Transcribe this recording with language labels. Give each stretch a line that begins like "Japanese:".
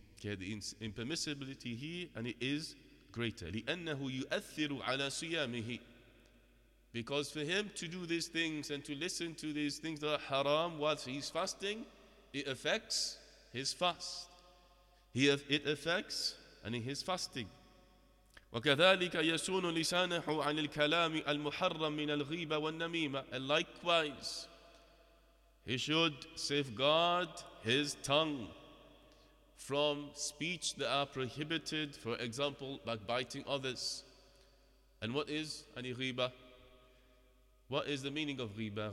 English: Okay, the impermissibility here, and it is greater.
Arabic: لأنه يؤثر على صيامه.
English: Because for him to do these things and to listen to these things that are haram whilst he's fasting, it affects his fast. It affects and his fasting.
Arabic: وكذلك يسون لسانه عن الكلام المحرم من الغيبة والنميمة.
English: And likewise, he should safeguard his tongue from speech that are prohibited, for example, like biting others. And what is an ghiba? What is the meaning of ghiba?